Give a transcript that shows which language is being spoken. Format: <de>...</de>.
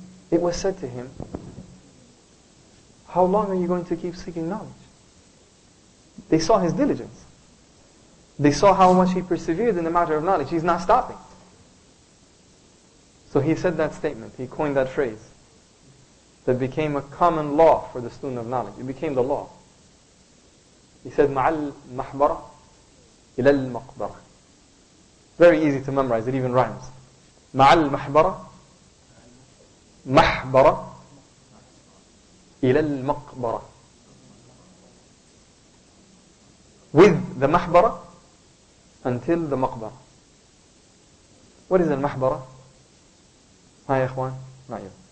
<en>It was said to him, how long are you going to keep seeking knowledge? They saw his diligence. They saw how much he persevered in the matter of knowledge. He's not stopping. So he said that statement, he coined that phrase that became a common law for the student of knowledge. It became the law.</en> <ar>He said, مَعَ الْمَحْبَرَةِ إِلَى الْمَقْبَرَةِ.</ar> <en>Very easy to memorize, it even rhymes.</en> <ar>مَعَ الْمَحْبَرَةِ مَحْبَرَةِ إِلَى الْمَقْبَرَةِ.</ar> <en>With the mahbara until the maqbara. What is al-mahbara? Hi, Ikhwan. Not you.</en>